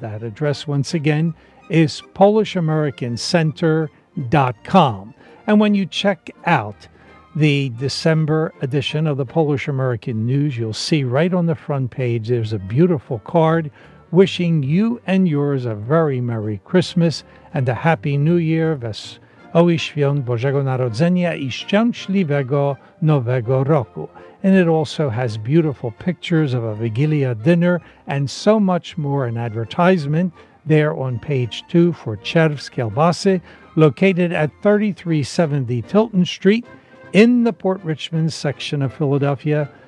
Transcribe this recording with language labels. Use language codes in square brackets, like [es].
[en] That address, once again, is PolishAmericanCenter.com. And when you check out the December edition of the Polish American News, you'll see right on the front page, there's a beautiful card wishing you and yours a very Merry Christmas and a Happy New Year. [pl] Wesołych Świąt Bożego Narodzenia i Szczęśliwego Nowego Roku. [en] And it also has beautiful pictures of a Vigilia dinner and so much more, an advertisement there on page 2 for Czerw's Kielbasy, located at 3370 Tilton Street in the Port Richmond section of Philadelphia.